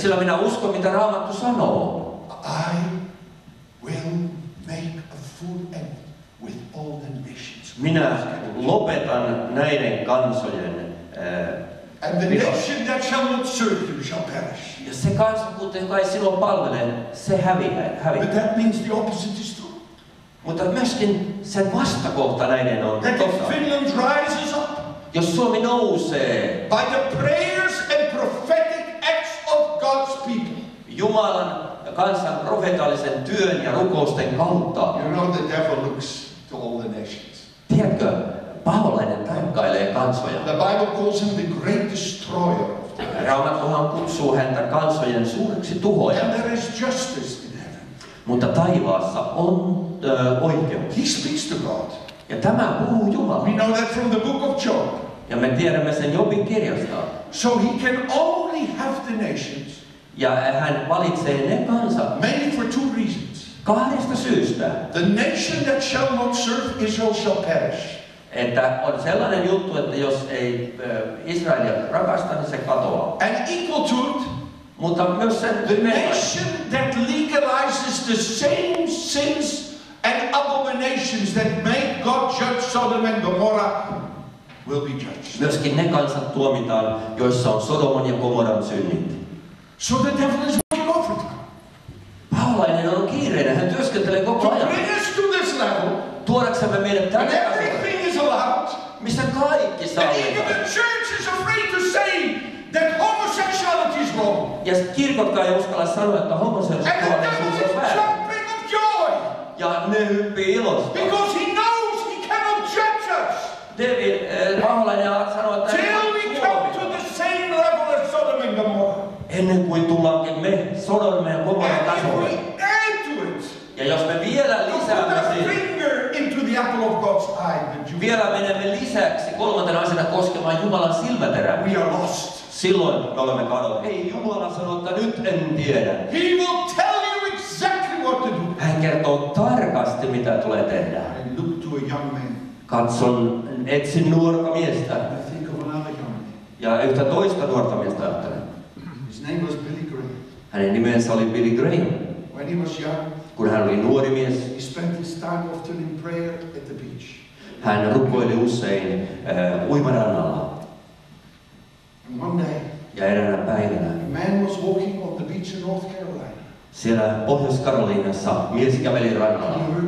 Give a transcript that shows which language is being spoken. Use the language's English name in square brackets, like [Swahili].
[Finnish] Sillä minä uskon, mitä Raamattu sanoo. [English] I will make a full end with all the nations. [Finnish] Minä lopetan näiden kansojen [English] and the nation that shall not serve you shall perish. [Finnish] Ja se kansakunta, joka ei sinua palvele, se häviää. [English] But that means the opposite is true. [Finnish] Mutta myöskin sen vastakohta näiden on totta. [English] That Finland rises up. [Finnish] Jos Suomi nousee. [English] By the prayers and prophetic acts of God's people. [Finnish] Jumalan ja kansan profetaalisen työn ja rukousten kautta. [English] You know the devil looks to all the nations. [Finnish] Tiedätkö? Paholainen tarkkailee kansoja. [English] The Bible calls him the great destroyer. [Finnish] Raamattuhan kutsuu häntä kansojen suureksi tuhoajaksi. [English] And there is justice in heaven. [Finnish] Mutta taivaassa on oikeus. [English] He speaks to God. [Finnish] Ja tämä puhuu Jumala. [English] We know that from the book of Job. [Finnish] Ja me tiedämme sen Jobin kirjasta. [English] So he can only have the nations. [Finnish] Ja hän valitsee ne kansat. [English] Mainly for two reasons. [Finnish] Kahdesta syystä. [English] The nation that shall not serve Israel shall perish. [Finnish] Että on sellainen juttu, että jos ei Israelia rakasta, niin se katoaa. [English] And equal to it. [Finnish] Mutta myös sen [English] the nation that legalizes the same sins and abominations that make God judge Sodom and Gomorrah will be judged. [Finnish] Myöskin ne kansat tuomitaan, joissa on Sodoman ja Gomorran synnit. [English] So the devil is working off it. [Finnish] Paholainen on kiireinen, hän työskentelee koko ajan. [English] To bring us to this level. [Finnish] Tuodaksemme meidät tänne. [English] And everything is allowed. [Finnish] Missä kaikki sallitaan. [English] And even the church is afraid to say that homosexuality is wrong. [Finnish] Ja kirkotkaan ei uskalla sanoa, että homoseksuaalisuus on väärin. Ja ne hyppii ilosta. [English] Because he knows he cannot judge us. [Finnish] David, paholainen sanoo, että [English] till we come to the same level as Sodom and Gomorrah. [Finnish] Ennen kuin tullaankin me Sodom ja Gomorran tasolle. [English] And we add to it. [Finnish] Ja jos me vielä lisäämme siihen. [English] Put a finger into the apple of God's eye. [Finnish] Vielä menemme lisäksi kolmantena asiana koskemaan Jumalan silmäterää. [English] We are lost. [Finnish] Silloin me olemme kadolla. Ei Jumala sano, että nyt en tiedä. [English] He will tell you exactly what to do. [Finnish] Hän kertoo tarkasti, mitä tulee tehdä. [English] Look to a young man. [Finnish] Katson, etsin nuorta miestä. [English] I think of another young man. [Finnish] Ja yhtä toista nuorta miestä ajattelen. [English] His name was Billy Graham. [Finnish] Hänen nimensä oli Billy Graham. [English] When he was young, [Finnish] kun hän oli nuori mies, [English] he spent his time often in prayer at the beach. [Finnish] Hän rukoili usein uimarannalla. [English] One day, [Finnish] ja eräänä päivänä, [English] a man was walking on the beach in North Carolina. [Finnish] Siellä Pohjois-Karoliinassa mies käveli rannalla.